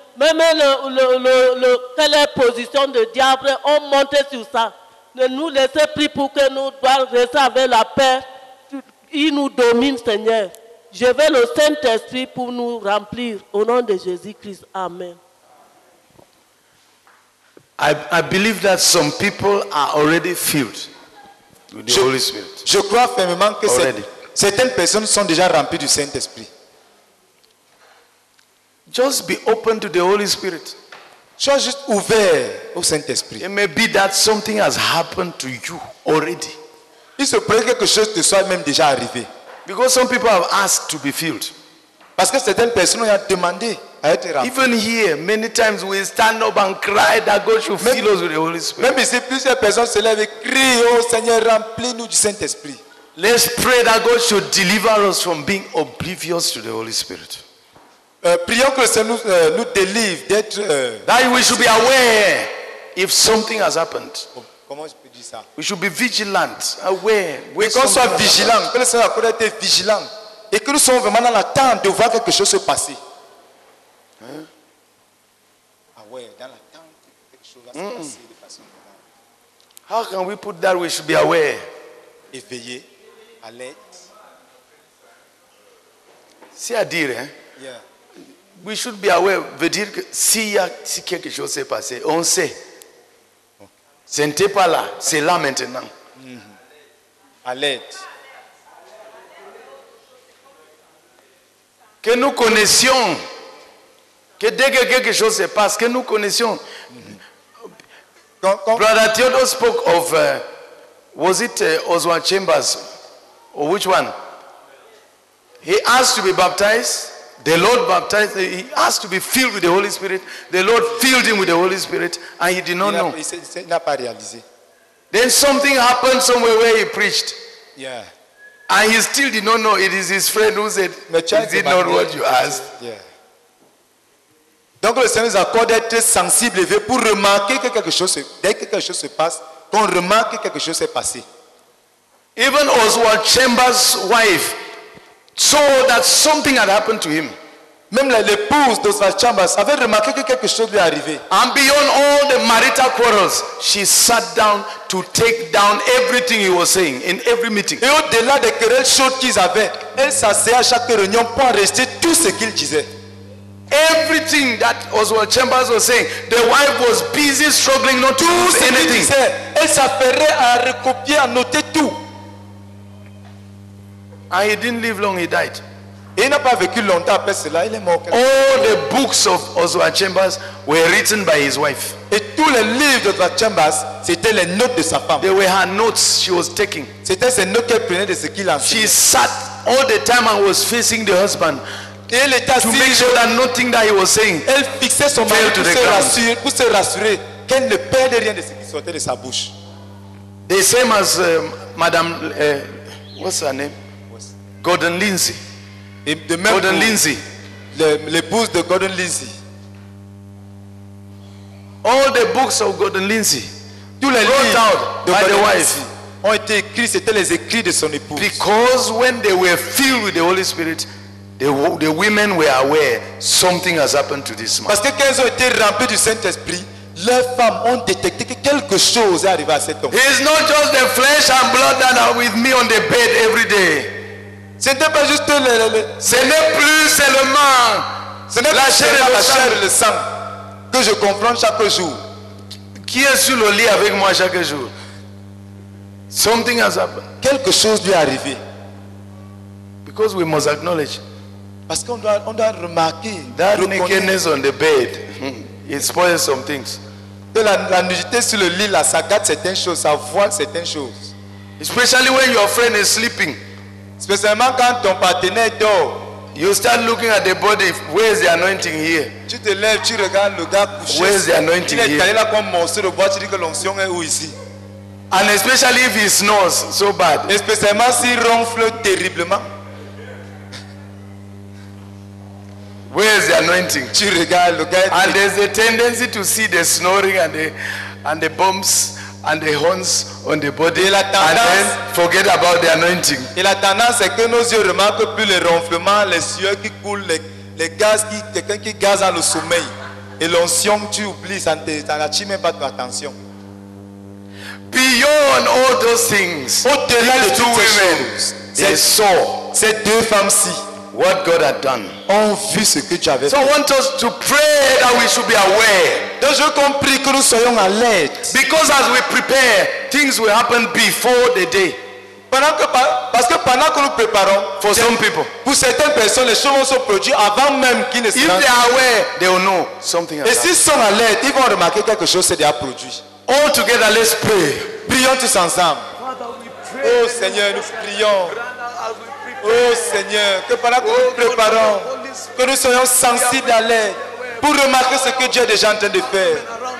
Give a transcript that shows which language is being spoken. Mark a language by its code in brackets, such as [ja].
[fr] Même le telle position de diable, on monte sur ça. Ne nous laissez plus pour que nous devons rester avec la peur. Il nous domine, Seigneur. Je veux le Saint-Esprit pour nous remplir. Au nom de Jésus-Christ. Amen. [en] I believe that some people are already filled with the Holy Spirit. [fr] Je crois fermement que certaines personnes sont déjà remplies du Saint-Esprit. [en] Just be open to the Holy Spirit. [fr] Sois juste ouvert au Saint-Esprit. [en] It may be that something has happened to you already. [fr] Il se pourrait que quelque chose te soit même déjà arrivé. [en] Because some people have asked to be filled. [fr] Parce que certaines personnes ont demandé à être remplies. [en] Even here, many times we stand up and cry that God should fill us with the Holy Spirit. [fr] Même ici, plusieurs personnes se lèvent et crient, oh Seigneur, remplis-nous du Saint-Esprit. [en] Let's pray that God should deliver us from being oblivious to the Holy Spirit. [fr] Prions que le Seigneur nous délivre d'être... [en] That we should be aware if something has happened. [fr] Comment je peux dire ça? [en] We should be vigilant, aware. [fr] Et qu'on soit vigilant, que le Seigneur accorde d'être vigilant. Et que nous sommes vraiment dans l'attente de voir quelque chose se passer. Aware, dans l'attente que quelque chose va se passer de façon normale. [en] How can we put that we should be aware? [fr] Éveillé, alerte. C'est à dire, hein? [en] Yeah. We should be aware, [fr] veut dire que si quelque chose s'est passé, on sait. Ce n'était pas là, c'est là maintenant. À l'aide. Que nous connaissions, que dès que quelque chose se passe, que nous connaissions. [en] Brother Theodore spoke of, was it Oswald Chambers, or which one? He asked to be baptized, the Lord baptized, he asked to be filled with the Holy Spirit. The Lord filled him with the Holy Spirit and he did not know. [fr] Il n'a pas réalisé. [en] Then something happened somewhere where he preached. Yeah. And he still did not know. It is his friend who said, is it not what you asked? Yeah. [fr] Donc le Seigneur nous accorde d'être sensible et pour remarquer que quelque chose, dès que quelque chose se passe, qu'on remarque que quelque chose s'est passé. [en] Even Oswald Chambers' wife saw that something had happened to him. [fr] Même l'épouse de sa chambre avait remarqué que quelque chose lui arrivait. [en] And beyond all the marital quarrels, she sat down to take down everything he was saying in every meeting. [fr] Et au-delà des querelles chaudes qu'ils avaient, elle s'asseyait à chaque réunion pour enregistrer tout ce qu'il disait. [en] Everything that Oswald Chambers was saying, the wife was busy struggling not to say anything. [fr] Elle s'affairait à recopier, à noter tout. [en] And he didn't live long, he died. [fr] Et il n'a pas vécu longtemps après cela, il est mort. [en] All the books of Oswald Chambers were written by his wife. [fr] Et tous les livres d'Oswald Chambers, c'était les notes de sa femme. [en] They were her notes she was taking. [fr] C'était ses notes qu'elle prenait de ce qu'il a fait. [en] She sat all the time and was facing the husband. [fr] Et elle était [en] to make sure that nothing that he was saying, [fr] elle fixait son mari pour se rassurer qu'elle ne perdait rien de ce qui sortait de sa bouche. [en] The same as Madame, what's her name? What's... Gordon Lindsay. The man Gordon who, Lindsay. [fr] L'épouse de Gordon Lindsay. [en] All the books of Gordon Lindsay, [fr] tous les livres [en] by Gordon the wife, [fr] Lindsay, ont été écrits, c'était les écrits de son épouse. [en] Because when they were filled with the Holy Spirit, the women were aware something has happened to this man. [fr] Parce que quand ils ont été remplis du Saint-Esprit, leurs femmes ont détecté que quelque chose est arrivé à cet homme. [en] It's not just the flesh and blood that are with me on the bed every day. [fr] Ce n'était pas juste le ce n'est plus seulement ce n'est plus la chair et le sang que je confronte chaque jour. Qui est sur le lit avec moi chaque jour? [en] Something has happened. [fr] Quelque chose lui est arrivé. [en] Because we must acknowledge. [fr] Parce qu'on doit, remarquer [en] that nakedness on the bed, it spoils some things. [fr] Que la nudité sur le lit, là, ça gâte certaines choses, ça voile certaines choses. [en] Especially when your friend is sleeping. [fr] Spécialement quand ton partenaire dort, [en] you start looking at the body. Where is the anointing here? [fr] Tu te lèves, tu regardes le gars couché. [en] Where is the anointing here? [fr] Il est allé là comme monstre de bois. Tu dis que l'onction est où ici? [en] And especially if he snores so bad. [fr] Et spécialement s'il ronfle terriblement. [en] Where is the anointing? [fr] Tu regardes le gars. [en] And there's a tendency to see the snoring and the bumps and the horns on the body, [fr] et la tendance, [en] and then forget about the anointing. [fr] Et la tendance est que nos yeux remarquent plus les ronflements, les sueurs qui coulent, les gaz qui, quelqu'un qui gaz dans le sommeil, et l'onction tu oublies, ça ne t'attire même pas ton attention. [en] Beyond all those things, [fr] au-delà de toutes ces choses, ces deux femmes-ci, [en] what God had done, [fr] ont vu ce que tu avais [en] fait. So I want us to pray that we should be aware. [fr] Donc je comprends que nous soyons alertes. [en] Because as we prepare, things will happen before the day. [fr] Parce que pendant que nous préparons, [en] for some people, [fr] pour certaines personnes, les choses vont se produire avant même qu'ils ne [en] soient. If they are aware, they will know something. [fr] Et s'ils sont alertes, ils vont remarquer quelque chose s'est déjà produit. [en] All together, let's pray. [fr] Prions tous ensemble. Oh Seigneur, nous prions. Oh Seigneur, que pendant que nous préparons, que nous soyons sensibles à l'air pour remarquer ce que Dieu est déjà en train de faire.